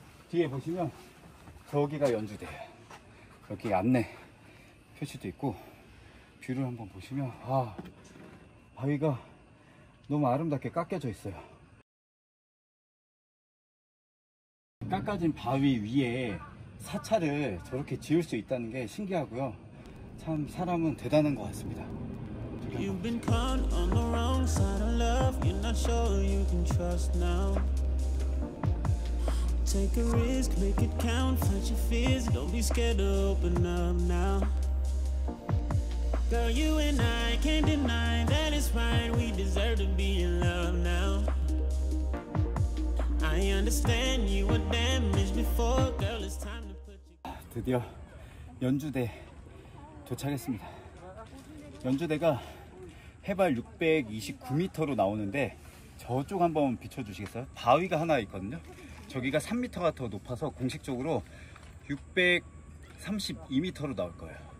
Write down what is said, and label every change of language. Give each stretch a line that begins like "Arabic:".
Korean: 뒤에 보시면 저기가 연주대, 여기 안내 표시도 있고 뷰를 한번 보시면 바위가 너무 아름답게 깎여져 있어요. 깎아진 바위 위에 사찰을 저렇게 지을 수 있다는 게 신기하고요. 참 사람은 대단한 것 같습니다.
English: You've been caught on the wrong side of love. You're not sure you can trust now. Take a risk, make it count. Fight your fears, don't be scared to open up now. Girl, you and I can't deny that it's right. We deserve to be in love now. I understand you were damaged before. Girl, it's time to put you.
Korean: 드디어 연주대 도착했습니다. 연주대가 해발 629m로 나오는데 저쪽 한번 비춰주시겠어요? 바위가 하나 있거든요. 저기가 3m가 더 높아서 공식적으로 632m로 나올 거예요.